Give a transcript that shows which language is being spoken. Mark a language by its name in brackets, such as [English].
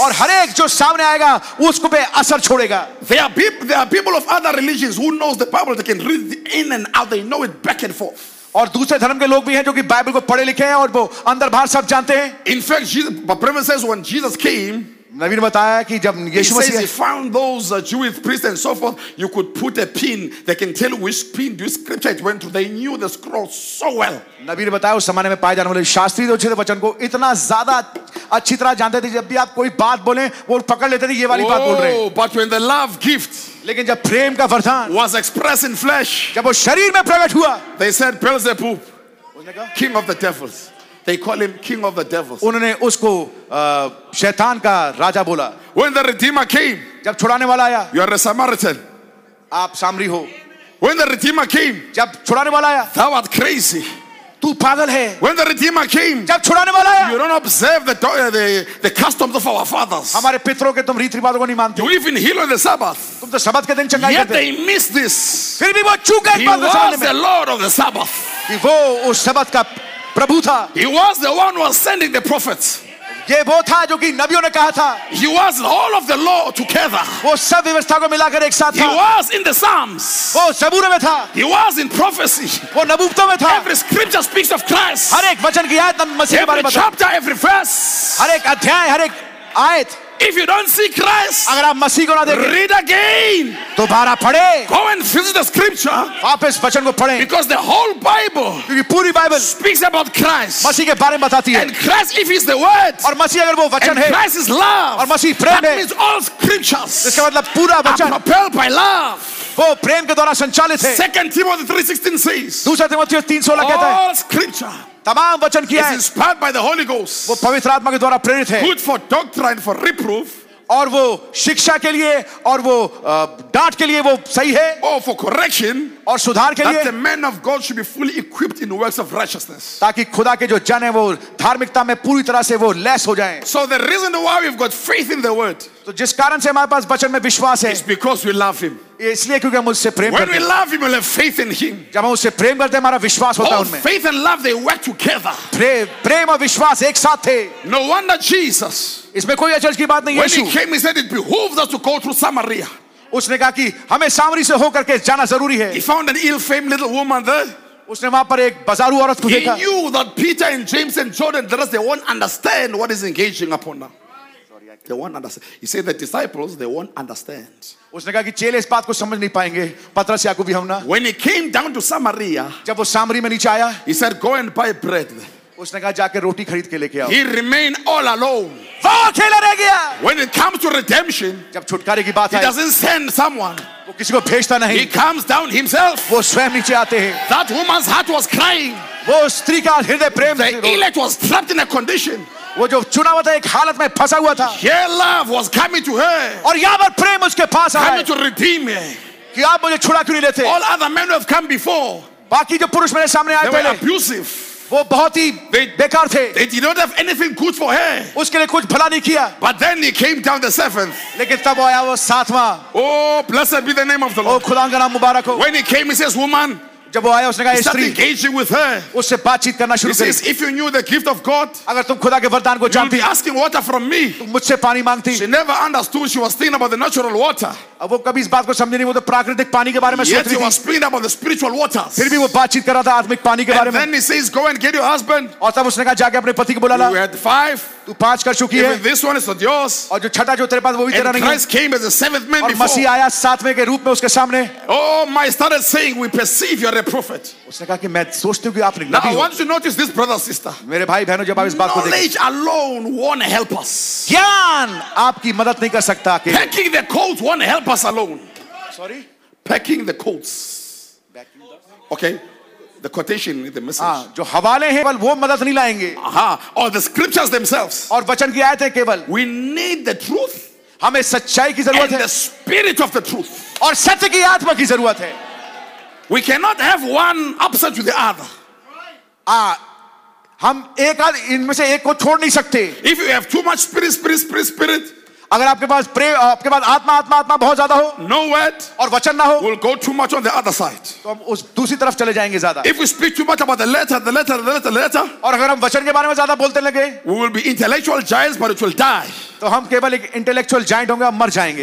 [Hindi] और हर एक जो सामने आएगा, उसको पे असर छोड़ेगा. [English] There are people of other religions who knows the Bible. They can read in and out. They know it back and forth. [Hindi] और दूसरे धर्म के लोग भी हैं जो कि बाइबल को पढ़े लिखे हैं और वो अंदर बाहर सब जानते हैं. [English] In fact, Jesus, the Bible says when Jesus came. [Hindi] नवीन बताया कि जब यीशु मसीह [English] he found those Jewish priests and so forth, you could put a pin, they can tell which pin which scripture it went through. They knew the scroll so well. [Hindi] नवीन बताया उस समय में पाए जाने वाले शास्त्री जो थे वचन को इतना ज्यादा अच्छी तरह जानते थे, जब भी आप कोई बात बोले वो पकड़ लेते थे ये वाली बात बोल रहे हैं. [English] But when the love gift [Hindi] लेकिन जब प्रेम का वरदान [English] was expressed in flesh [Hindi] जब वो शरीर में प्रकट हुआ, [English] they said Beelzebub king of the devils. They call him king of the devils. [Hindi] उन्होंने उसको शैतान का राजा बोला. [English] When the redeemer came, [Hindi] जब छुड़ाने वाला आया, [English] you are a Samaritan. [Hindi] आप सामरी हो. [English] When the redeemer came, [Hindi] जब छुड़ाने वाला आया, [English] thou art crazy. [Hindi] तू पागल है. [English] When the redeemer came, [Hindi] जब छुड़ाने वाला आया, [English] you don't observe the customs of our fathers. [Hindi] हमारे पितरों के तुम रीति रिवाजों को नहीं मानते. [English] You even heal on the Sabbath. [Hindi] तुम तो सबत के दिन चंगाई करते. [English] Yet they miss this. [Hindi] फिर भी वो चूक गए. [English] He was the Lord of the Sabbath. [Hindi] वो उस सबत का प्रभु था. [English] He was the one who was sending the prophets. [Hindi] ये वो था जो कि नबियों ने कहा था. [English] He was all of the law together. [Hindi] वो सब व्यवस्था को मिलाकर एक साथ था. [English] He was in the Psalms. [Hindi] वो ज़बूर में था. [English] He was in prophecy. [Hindi] वो नबूवतों में था. [English] Every scripture speaks of Christ. [Hindi] हर एक वचन की आयत मसीह के बारे में. [English] Every chapter, every verse. [Hindi] हर एक अध्याय, हर एक आयत. [English] If you don't see Christ, [Hindi] अगर आप मसीह को ना देखें, [English] read again. [Hindi] दोबारा पढ़े. [English] Go and visit the scripture. [Hindi] वापस वचन को पढ़ें. [English] Because the whole Bible, [Hindi] क्योंकि पूरी बाइबल, [English] speaks about Christ. [Hindi] मसीह के बारे में बताती है. [English] And Christ, if He's the Word, [Hindi] और मसीह अगर वो वचन है, [English] and Christ is love, [Hindi] और मसीह प्रेम है, [English] that means all scriptures. [Hindi] इसका मतलब पूरा वचन. [English] Are propelled by love. [Hindi] वो प्रेम के द्वारा संचालित है. [English] 2 Timothy 3:16 says. [Hindi] दूसरा तीमोथियो 3:16 कहता है. [English] All scripture. [Hindi] तमाम वचन किया है. [English] Inspired by the Holy Ghost. [Hindi] वो पवित्र आत्मा के द्वारा प्रेरित है. [English] Good for doctrine, for reproof. [Hindi] और वो शिक्षा के लिए और वो डांट के लिए वो सही है. [English] Oh, for correction. [Hindi] और सुधार के लिए. [English] That the man of God should be fully equipped in works of righteousness. [Hindi] ताकि खुदा के जो जन है वो धार्मिकता में पूरी तरह से वो लैस हो जाएं. [English] So the reason why we've got faith in the word. [Hindi] तो जिस कारण से हमारे पास वचन में विश्वास है. [English] It's because we love him. [Hindi] इसलिए क्योंकि हम उससे प्रेम करते हैं. [English] We'll have faith in him. [Hindi] जब हम उससे प्रेम करते हैं, हमारा विश्वास होता है उनमें. [English] Faith and love, they work together. [Hindi] प्रेम और विश्वास एक साथ थे. [English] No wonder Jesus. [Hindi] इसमें कोई अचरज की बात नहीं. [English] When he came, he said, "It behooves us to go through Samaria." [Hindi] उसने कहा कि हमें सामरी से होकर के जाना जरूरी है. [English] He found an ill-famed little woman there. [Hindi] उसने वहां पर एक बाजारू औरत को देखा. [English] He knew that Peter and James and John and the rest, they won't understand what is engaging upon them. They won't understand. He said the disciples, they won't understand. [Hindi] उसने कहा कि चेले इस बात को समझ नहीं पाएंगे. पतरस याकूब भी हमना. [English] When he came down to Samaria, [Hindi] जब वो सामरी में नीचे आया, [English] he said, "Go and buy bread." [Hindi] उसने कहा जाके रोटी खरीद के लेके आओ. [English] He remained all alone. [Hindi] वो अकेला रह गया. [English] When it comes to redemption, [Hindi] जब छुटकारे की बात आए, [English] he doesn't send someone. [Hindi] वो किसी को भेजता नहीं. [English] He comes down himself. [Hindi] वो स्वयं नीचे आते हैं. [English] That woman's heart was crying. [Hindi] वो स्त्री का हृदय प्रेम से. [English] The elect was trapped in a condition. [Hindi] वो जो चुना हुआ था एक हालत में फंसा हुआ था. [English] Yeah, love was coming to her. [Hindi] और यहाँ पर प्रेम उसके पास आया. [English] Coming to redeem her. [Hindi] कि आप मुझे छुड़ा क्यों नहीं लेते? [English] All other men who have come before. [Hindi] बाकी जो पुरुष मेरे सामने आए थे. [English] They were abusive. [Hindi] वो बहुत ही बेकार थे. [English] They did not have anything good for her. [Hindi] उसके लिए कुछ भला नहीं किया. [English] But then he came down the seventh. [Hindi] लेकिन तब आया वो सातवां. [English] Oh, blessed be the name of the Lord. [Hindi] ओ खुदा का नाम मुबारक हो. [English] When he came, he says, "Woman." [Hindi] जब वो आया उसने कहा स्त्री. [English] He started engaging with her. [Hindi] उससे बातचीत करना शुरू करी. [English] If you knew the gift of God, [Hindi] अगर तुम खुदा के वरदान को जानती, [English] you'd be asking water from me. [Hindi] तुम मुझसे पानी मांगती. [English] She never understood. She was thinking about the natural water. [Hindi] अब वो कभी इस बात को समझी नहीं. वो तो प्राकृतिक पानी के बारे में सोच रही थी. [English] Yet she was speaking about the spiritual waters. [Hindi] फिर भी वो बातचीत कर रहा था आत्मिक पानी के बारे में. [English] And then he says, "Go and get your husband." [Hindi] और तब उसने कहा जाके अपने पति को बुला ला. [English] You had five. [Hindi] तू पांच कर चुकी है. [English] This one is yours. [Hindi] और जो छठा जो तेरे पास वो भी तेरा नहीं. [English] Christ came as a seventh man before. [Hindi] और मसीह आया सातवें के रूप में उसके सामने. [English] Oh, my started saying, "We perceive your prophet." [Hindi] उसने कहा कि मैं सोचती हूँ कि आप नबी हो. [English] Now I want you to notice this, brother, sister. [Hindi] मेरे भाई बहनों, जब आप इस बात को देखें. [English] Knowledge alone won't help us. [Hindi] ज्ञान आपकी मदद नहीं कर सकता. [English] Packing the coats won't help us alone. Sorry. Packing the coats. Okay. The quotation, the message. [Hindi] जो हवाले हैं केवल वो मदद नहीं लाएंगे. हाँ. [English] Or the scriptures themselves. [Hindi] और वचन की आयतें केवल. [English] We need the truth. [Hindi] हमें सच्चाई की जरूरत है. [English] And the spirit of the truth. [Hindi] और सत्य की आत्मा की जरूरत है. [English] We cannot have one upset with the other. If you have too much spirit, [Hindi] अगर आपके पास प्रेम आपके पास आत्मा आत्मा आत्मा बहुत ज्यादा हो [English] no word, [Hindi] और वचन ना हो [English] we'll go too much on the other side. [Hindi] तो हम उस दूसरी तरफ चले जाएंगे ज्यादा. [English] If we speak too much about the letter, the letter, the letter, the letter, [Hindi] और अगर हम वचन के बारे में ज्यादा बोलते लगे [English] we will be intellectual giants, but it will die. [Hindi] तो हम केवल एक [English] intellectual giant [Hindi] होंगे और मर जाएंगे.